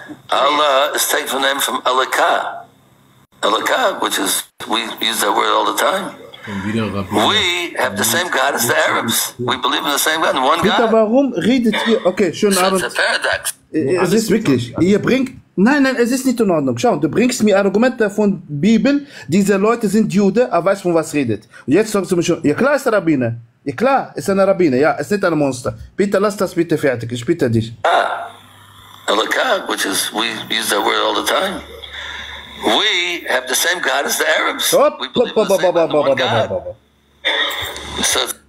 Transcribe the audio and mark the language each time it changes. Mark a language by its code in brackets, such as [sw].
[en] Allah is taken from the name from Alaka. Alaka, which is, we use that word all the time. We have the same God as the Arabs. We believe in the same God, one God. [de] Bitte, warum redet ihr? Okay, schönen Abend. [en] It's a paradox. [de] Es ist wirklich, ihr bringt, nein, es ist nicht in Ordnung. Schau, du bringst mir Argumente von Bibel, diese Leute sind Jude, er weiß, von was redet. Und jetzt sagst du mir schon, ja klar ist der Rabbiner. Ja, klar, ist eine Rabbine, ja, ist nicht ein Monster. Bitte lass das bitte fertig, ich bitte dich. [en] Ah, Alakad, which is, we use that word all the time. We have the same God as the Arabs. Stop. We believe in the same God, the one God.